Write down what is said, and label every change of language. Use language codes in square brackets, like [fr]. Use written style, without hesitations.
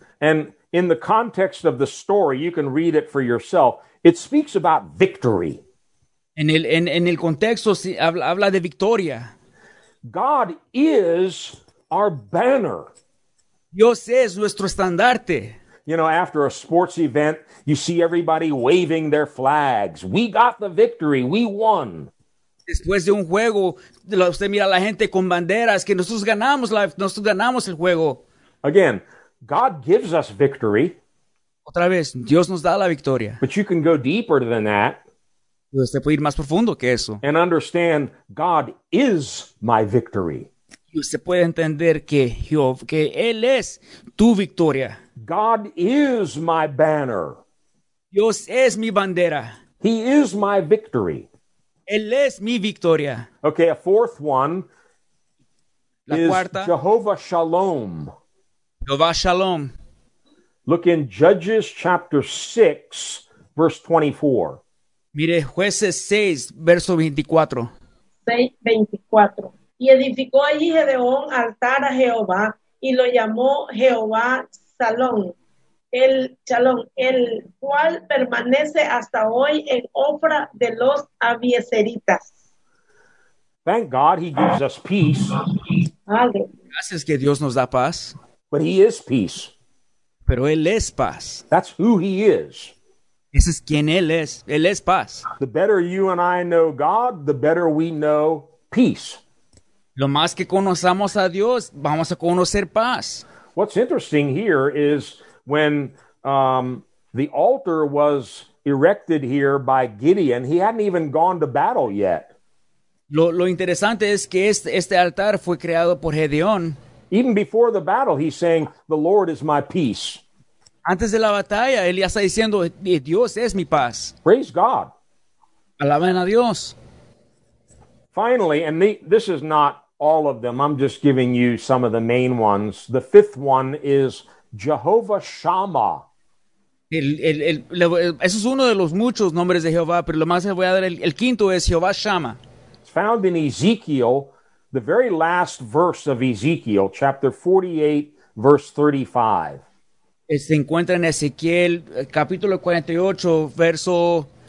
[en] And in the context of the story, you can read it for yourself. It speaks about victory. [es] En el contexto habla de victoria. [en] God is our banner. [es] Dios es nuestro estandarte. [en] You know, after a sports event, you see everybody waving their flags. We got the victory. We won. [es] Se después de un juego, usted mira a la gente con banderas, que nosotros ganamos el juego. [en] Again, God gives us victory. [es] Otra vez, Dios nos da la victoria. [en] But you can go deeper than that. [es] Usted puede ir más profundo que eso. [en] And understand God is my victory. [es] Usted puede entender que Él es tu victoria. [en] God is my banner. [es] Dios es mi bandera. [en] He is my victory. [es] Él es mi victoria. [en] Okay, a fourth one is Jehovah Shalom. Jehovah Shalom. Look in Judges chapter 6, verse 24. [es] Mire, Jueces 6, verso 24. 6:24. Y edificó allí Gedeón altar a Jehová, y lo llamó Jehová Shalom, el cual permanece hasta hoy en Ofra de los Abieseritas. [en] Thank God he gives us peace. [es] Gracias que Dios nos da paz. [en] But he is peace. [es] Pero él es paz. [en] That's who he is. [es] Ese es quien él es. Él es paz. [en] The better you and I know God, the better we know peace. [es] Lo más que conozcamos a Dios, vamos a conocer paz. [en] What's interesting here is when the altar was erected here by Gideon, he hadn't even gone to battle yet. [es] Lo interesante es que este altar fue creado por Gedeón. [en] Even before the battle, he's saying, "The Lord is my peace." [es] Antes de la batalla, él ya está diciendo, "Dios es mi paz." [en] Praise God. [es] Alaben a Dios. [en] Finally, and this is not all of them. I'm just giving you some of the main ones. The fifth one is Jehovah Shammah. [es] Eso es uno de los muchos nombres de Jehová, pero lo más que voy a dar, el quinto es Jehová Shammah. [en] It's found in Ezekiel, the very last verse of Ezekiel, chapter 48, verse 35. [es] Se encuentra en Ezequiel, capítulo 48, verso